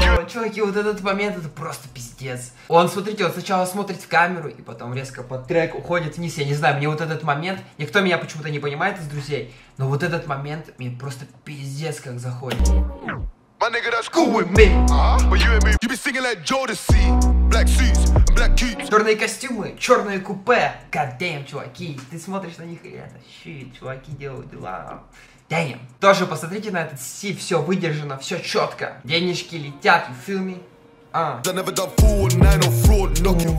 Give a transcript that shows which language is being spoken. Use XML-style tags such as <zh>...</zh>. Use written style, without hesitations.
<ru>Чуваки, вот этот момент, это просто пиздец. Он, смотрите, он сначала смотрит в камеру и потом резко под трек уходит вниз. Я не знаю, мне вот этот момент, никто меня почему-то не понимает из друзей, но вот этот момент мне просто пиздец как заходит.</ru> <en>My nigga, that's cool with me. But you and me, you be singing like Jodeci. Black suits, black keys.</en> <ru>Черные костюмы, черные купе.</ru> <en>God damn,</en> <ru>чуваки, ты смотришь на них и это,</ru> <en>shit,</en> <ru>чуваки делают дела.</ru> <en>Damn.</en> <ru>Тоже посмотрите на этот стиль, все выдержано, все четко. Денежки летят,</ru> <en>you feel me?</en>